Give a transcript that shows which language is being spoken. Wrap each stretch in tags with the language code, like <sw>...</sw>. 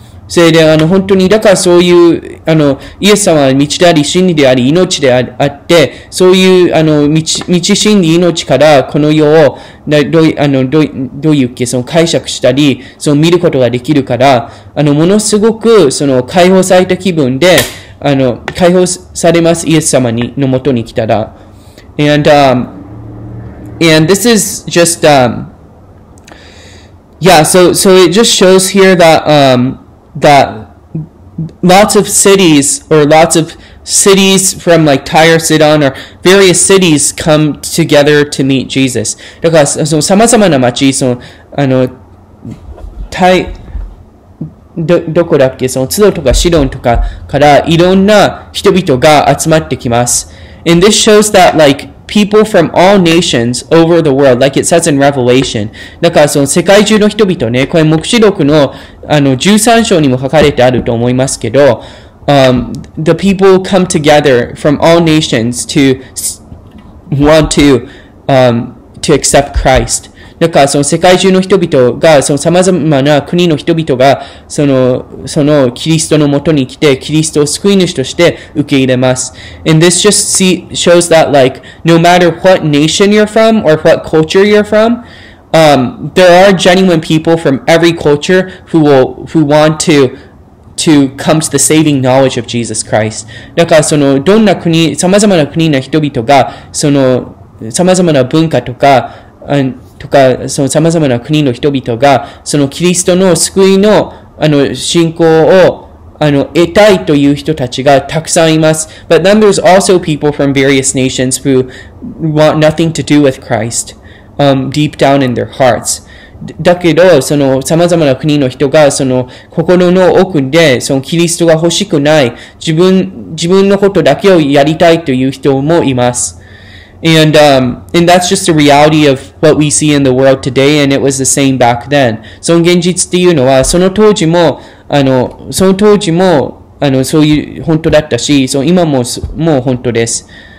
<ja>それであの本当にだからそういうあのイエス様は道であり真理であり命であって、そういうあの道真理命からこの世をどういうっけその解釈したりその見ることができるから、あのものすごくその解放された気分であの解放されます、イエス様にのもとに来たら。</ja> <en>And And this is just, so it just shows here that that lots of cities from like Tyre, Sidon, or various cities come together to meet Jesus.</en> <ja>だからそのさまざまな町、そのあのタイどこだっけ、そのツドとかシドンとかからいろんな人々が集まってきます。</ja> <en>And this shows that like people from all nations over the world, like it says in Revelation.</en> <ja>だからその世界中の人々ね、これ黙示録のあの十三章にも書かれてあると思いますけど。</ja> <en>The people come together from all nations to want to accept Christ.</en> <ja>だからその世界中の人々がそのさまざまな国の人々がそのキリストのもとに来てキリストを救い主として受け入れます。</ja> <en>And this just shows that like no matter what nation you're from or what culture you're from, there are genuine people from every culture who want to come to the saving knowledge of Jesus Christ.</en> <ja>だからそのどんな国、さまざまな国の人々がそのさまざまな文化とかとかそのさまざまな国の人々がそのキリストの救いのあの信仰をあの得たいという人たちがたくさんいます。</ja> <en>But then there's also people from various nations who want nothing to do with Christ, deep down in their hearts.</en> <ja>だけどそのさまざまな国の人がその心の奥でそのキリストが欲しくない自分のことだけをやりたいという人もいます。</ja> <en>And and that's just the reality of what we see in the world today, and it was the same back then.</en> <ja>その現実っていうのはその当時もそういう本当だったし、その今ももう本当です。</ja>